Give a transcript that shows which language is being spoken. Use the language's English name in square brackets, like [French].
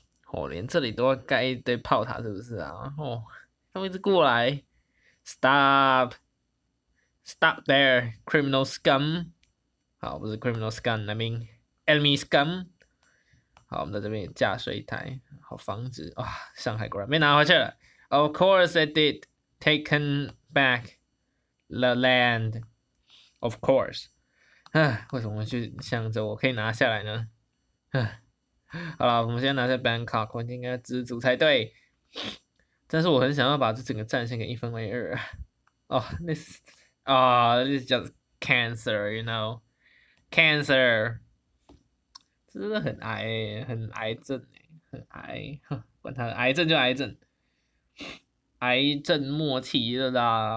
[Chinese] 哦，连这里都要盖一堆炮塔，是不是啊？哦，他们一直过来， [English] stop there, criminal scum。 [Chinese] 好，不是 [English] criminal scum，I mean enemy scum。 [Chinese] 好，我们在这边架设一台，好防止哇、哦，上海果然没拿回去了。 [English] Of course it did, taken back the land. Of course。 [Chinese] 唉，为什么去想着我可以拿下来呢？唉。好了，我们先拿下 Bangkok，我应该知足才对。但是我很想要把这整个战线给一分为二啊！哦，那是啊，这叫 [English] cancer，you know，cancer， [Chinese] 真的很癌，很癌症很癌，哼，管他的，癌症就癌症，癌症末期了啦！